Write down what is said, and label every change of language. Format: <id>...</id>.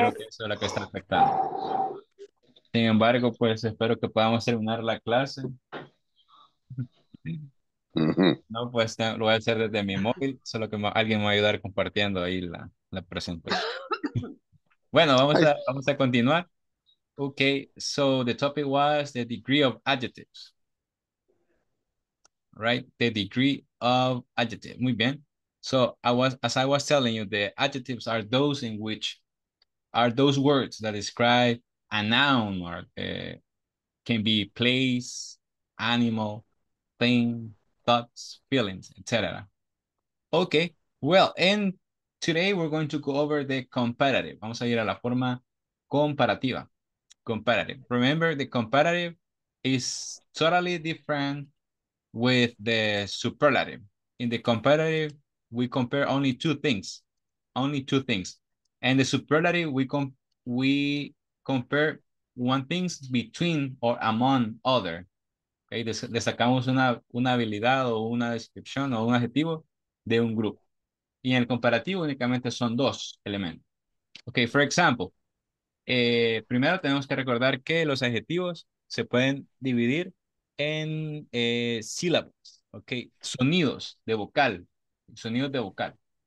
<es>creo que eso es lo que está afectando. Sin embargo, pues espero que podamos terminar la clase. No, pues lo voy a hacer desde mi móvil, solo que alguien me va a ayudar compartiendo ahí la presentación. Bueno, vamos a continuar.</es> <en>Ok, so the topic was the degree of adjectives. Right? The degree of adjective.</en> <es>Muy bien.</es> <en>So as I was telling you, the adjectives are those in which are those words that describe a noun or can be place, animal, thing, thoughts, feelings, etc. Okay, well, and today we're going to go over the comparative.</en> <es>Vamos a ir a la forma comparativa. Comparative.</es> <en>Remember, the comparative is totally different with the superlative. In the comparative, we compare only two things. Only two things. And the superlative, we compare one things between or among other.</en> <es>Okay, le sacamos una habilidad o una descripción o un adjetivo de un grupo. Y en el comparativo únicamente son dos elementos.</es> <en>Okay, for example,</en> <es>primero tenemos que recordar que los adjetivos se pueden dividir en sílabas, okay, sonidos de vocal, sonidos de vocal.</es>